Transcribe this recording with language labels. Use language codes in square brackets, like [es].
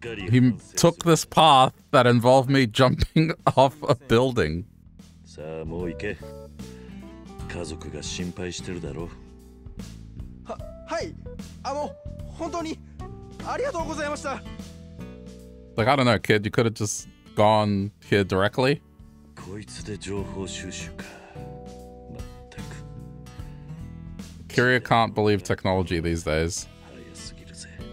[en] He took this path that involved me jumping off a building. [ja] さあ、もう行け。家族が心配してるだろう。はい。あの、本当にありがとうございました。 [en] Like, I don't know, kid, you could have just gone here directly. [ja] こいつで情報収集か。まったく。 [en] Kiria can't believe technology these days. [ja] 早すぎるぜ。